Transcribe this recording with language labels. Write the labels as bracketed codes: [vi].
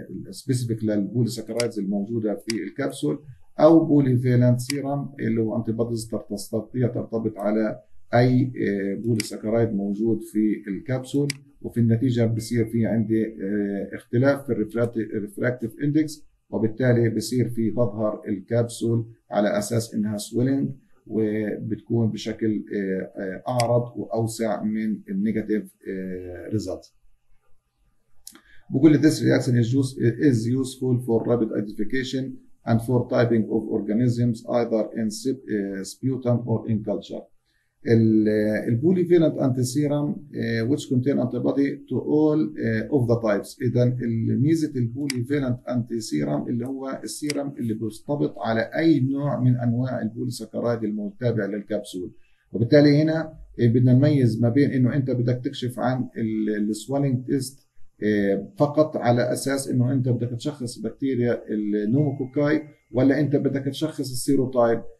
[ar] سبيسيفيك للبوليساكرايدز الموجوده في الكابسول، او بولي فيلنت سيرم اللي هو انتي بوديز تستطيع ترتبط على اي بوليساكرايد موجود في الكبسول، وفي النتيجه بصير في عندي اختلاف في الريفراكتيف اندكس، وبالتالي بصير في تظهر الكبسول على اساس انها سويلنج وبتكون بشكل اعرض واوسع من النيجاتيف ريزلت. بقول [en] this reaction is useful for rapid identification and for typing of organisms either in sputum or in culture. البوليفيلنت antiserum which contain antibody to all of the types. [ar] اذا ميزه البوليفيلنت انتي سيرم اللي هو السيرم اللي بيرتبط على اي نوع من انواع البوليسكرايد التابع للكبسول. وبالتالي هنا بدنا نميز ما بين انه انت بدك تكشف عن السوالينج تيست فقط على اساس انه انت بدك تشخص بكتيريا النوموكوكاي ولا انت بدك تشخص السيروتايب.